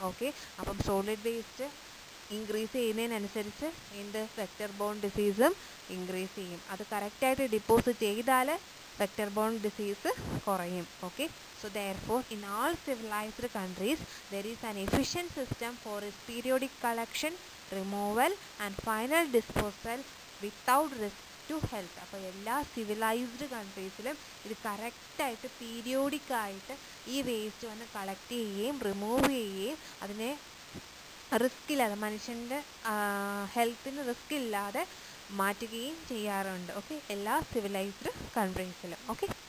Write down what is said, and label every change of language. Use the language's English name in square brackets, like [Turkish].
[Malayalam] Okay, അപ്പം solid waste increase ചെയ്യുന്നതിനനുസരിച്ച് എന്ത് vector bone ഡിസീസും increase ചെയ്യും. അത് കറക്റ്റായിട്ട് ഡിപ്പോസിറ്റ് ചെയ്താൽ വെക്ടർ ബോൺ ഡിസീസ് കുറയും. [English] Okay, so therefore in all civilised countries there is an efficient system for it periodic collection removal and final disposal without risk to health. [Malayalam] അപ്പോൾ എല്ലാ civilised കൺട്രീസിലും ഇത് കറക്റ്റായിട്ട് പീരിയോഡിക്കായിട്ട് ഈ വേസ്റ്റ് വന്ന് കളക്ട് ചെയ്യുകയും റിമൂവ് ചെയ്യുകയും അതിനെ റിസ്ക്കില്ലാതെ മനുഷ്യൻ്റെ ഹെൽത്തിന് റിസ്ക്കില്ലാതെ മാറ്റുകയും ചെയ്യാറുണ്ട്. ഓക്കെ, എല്ലാ സിവിലൈസ്ഡ് കൺട്രീസിലും. ഓക്കെ.